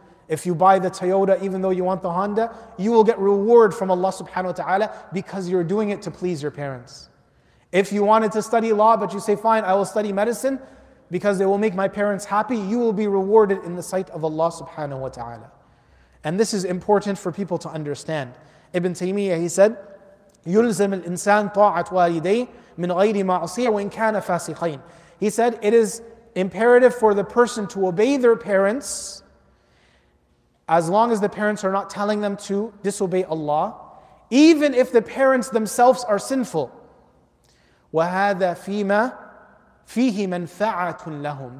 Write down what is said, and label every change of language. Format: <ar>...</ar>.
<en>If you buy the Toyota, even though you want the Honda, you will get reward from Allah subhanahu wa ta'ala because you're doing it to please your parents. If you wanted to study law, but you say, fine, I will study medicine because it will make my parents happy, you will be rewarded in the sight of Allah subhanahu wa ta'ala. And this is important for people to understand. Ibn Taymiyyah, he said,</en> <ar>يُلْزَمِ الْإِنسَانِ طَاعَةُ وَالِدَيْهِ مِنْ غَيْرِ مَعْصِيَةٍ وَإِنْ كَانَ فَاسِقَيْنِ.</ar> <en>He said, it is imperative for the person to obey their parents as long as the parents are not telling them to disobey Allah, even if the parents themselves are sinful.</en> <ar>وَهَذَا فِيمَا فِيهِ مَنْفَعَةٌ لَهُمْ.</ar>